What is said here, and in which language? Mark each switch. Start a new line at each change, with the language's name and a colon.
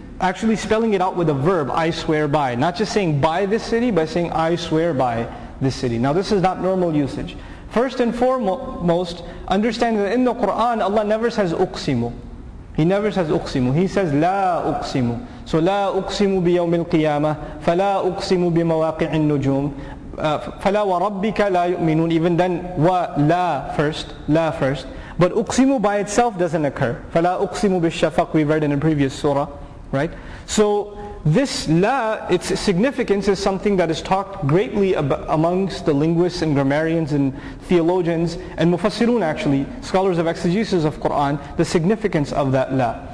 English: Actually spelling it out with a verb, I swear by. Not just saying by this city, but saying I swear by this city. Now this is not normal usage. First and foremost, understand that in the Quran, Allah never says أقسم. He never says أقسم. He says
Arabic: لا أقسم. So لا أقسم بيوم القيامة, فلا أقسم بمواقع النجوم, فلا وربك لا يؤمنون.
English: Even then, لا first, لا first. But uqsimu by itself doesn't occur.
Arabic: فَلَا أُقْسِمُ بِالشَّفَقِ,
English: we've read in a previous surah, right? So this la, its significance is something that is talked greatly amongst the linguists and grammarians and theologians and mufassirun actually, scholars of exegesis of Qur'an, the significance of that la.